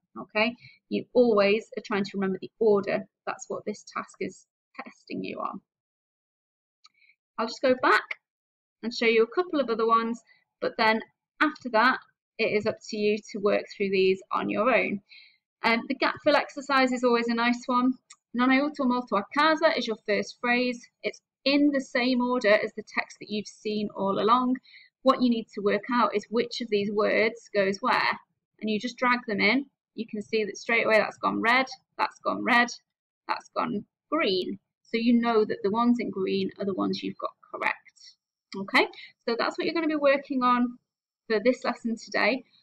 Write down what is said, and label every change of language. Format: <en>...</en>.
<en>Okay, you always are trying to remember the order. That's what this task is testing you on. I'll just go back and show you a couple of other ones, but then after that, it is up to you to work through these on your own. The gap fill exercise is always a nice one.</en> <it>Non aiuto molto a casa</it> <en>is your first phrase. It's in the same order as the text that you've seen all along. What you need to work out is which of these words goes where, and you just drag them in. You can see that straight away that's gone red, that's gone red, that's gone green. So you know that the ones in green are the ones you've got correct. Okay, so that's what you're going to be working on for this lesson today.</en>